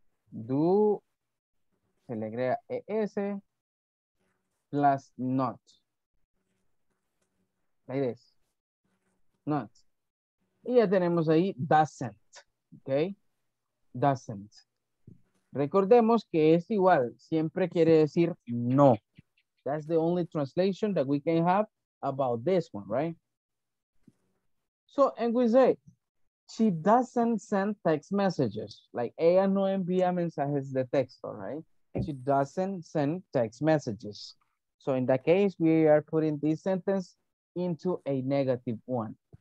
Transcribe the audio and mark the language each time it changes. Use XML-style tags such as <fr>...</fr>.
<es>Do se le agrega es plus not.</es> <en>Like this. Not.</en> <es>Y ya tenemos ahí</es> <en>doesn't. Ok. Doesn't.</en> <es>Recordemos que es igual, siempre quiere decir no.</es> <en>That's the only translation that we can have about this one, right? So, and we say, she doesn't send text messages.</en> <es>Like, ella no envía mensajes de texto, right?</es> <en>She doesn't send text messages. So, in that case, we are putting this sentence into a negative one.</en>